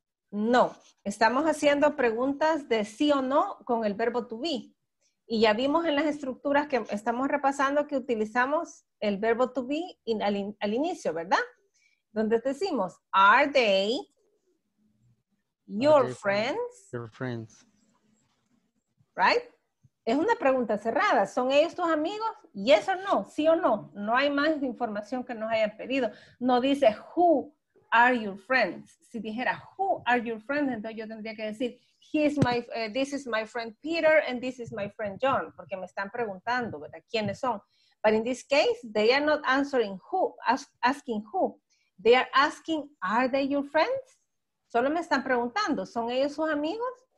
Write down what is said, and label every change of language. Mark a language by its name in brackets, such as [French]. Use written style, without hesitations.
[Spanish] No, estamos haciendo preguntas de sí o no con el verbo to be. Y ya vimos en las estructuras que estamos repasando que utilizamos el verbo to be al inicio, ¿verdad? Donde decimos, [English] are they your are they friends? Your friends. Right? [Spanish] Es una pregunta cerrada. ¿Son ellos tus amigos? [English] Yes or no, [Spanish] sí o no. No hay más información que nos hayan pedido. No dice [English] who are your friends. [Spanish] Si dijera, [English] who are your friends, [Spanish] entonces yo tendría que decir, [English] this is my friend Peter and this is my friend John, [Spanish] porque me están preguntando, ¿verdad? ¿Quiénes son? [English] But in this case, they are not answering who, asking who. They are asking, are they your friends? [Spanish] Solo me están preguntando, ¿son ellos sus amigos?